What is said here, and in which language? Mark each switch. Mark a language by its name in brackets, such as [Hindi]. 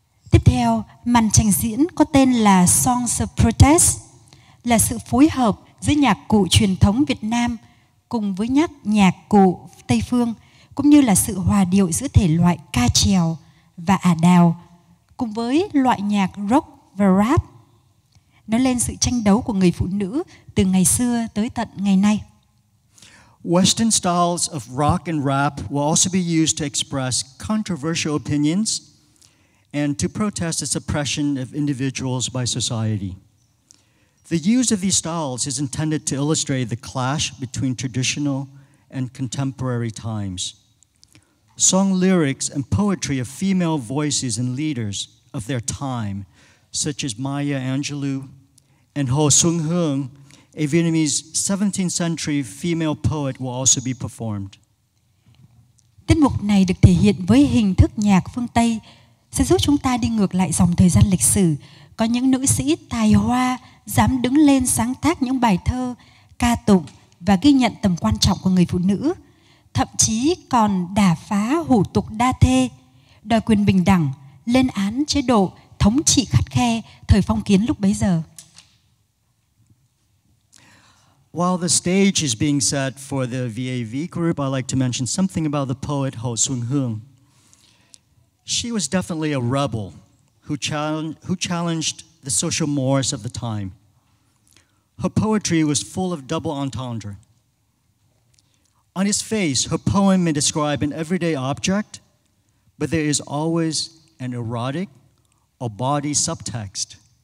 [Vietnamese] Tiếp theo, màn trình diễn có tên là Songs of Protest, là sự phối hợp giữa nhạc cụ truyền thống Việt Nam cùng với nhạc cụ Tây Phương, cũng như là sự hòa điệu giữa thể loại ca chèo và ả đào, cùng với loại nhạc rock và rap, nói lên sự tranh đấu của người phụ nữ từ ngày xưa tới tận ngày nay. [English] Western styles of rock and rap will also be used to express controversial opinions and to protest the suppression of individuals by society. The use of these styles is intended to illustrate the clash between traditional and contemporary times. Song lyrics and poetry of female voices and leaders of their time, such as Maya Angelou and Ho Xuân Hương, a Vietnamese 17th century female poet, will also be performed. [Vietnamese] Tiết mục này được thể hiện với hình thức nhạc phương Tây sẽ giúp chúng ta đi ngược lại dòng thời gian lịch sử, có những nữ sĩ tài hoa dám đứng lên sáng tác những bài thơ, ca tụng và ghi nhận tầm quan trọng của người phụ nữ, thậm chí còn đả phá hủ tục đa thê, đòi quyền bình đẳng, lên án chế độ thống trị khắt khe thời phong kiến lúc bấy giờ. [English] While the stage is being set for the VAV group, I'd like to mention something about the poet Ho Xuân Hương. She was definitely a rebel who challenged the social mores of the time. Her poetry was full of double entendre. On its face, her poem may describe an everyday object, but there is always an erotic or body subtext.